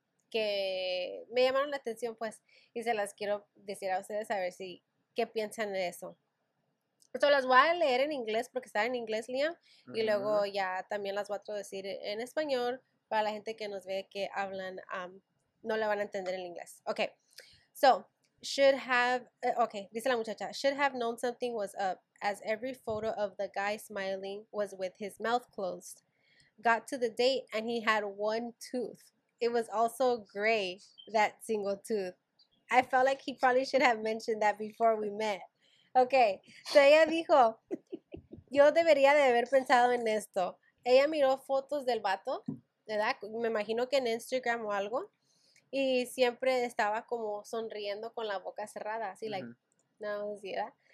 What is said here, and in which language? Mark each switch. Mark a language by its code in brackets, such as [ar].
[es] que me llamaron la atención, pues, y se las quiero decir a ustedes a ver si, qué piensan de eso. So, las voy a leer en inglés porque están en inglés, Liam, uh-huh. y luego ya también las voy a traducir en español para la gente que nos ve que hablan, no la van a entender en inglés. Okay, [en] So, should have, okay, dice la muchacha, should have known something was up as every photo of the guy smiling was with his mouth closed. Got to the date and he had one tooth. It was also gray, that single tooth. I felt like he probably should have mentioned that before we met. [es] Okay, so ella dijo, yo debería de haber pensado en esto. Ella miró fotos del vato, ¿verdad? Me imagino que en Instagram o algo. Y siempre estaba como sonriendo con la boca cerrada, así, like, no, sí, ¿verdad?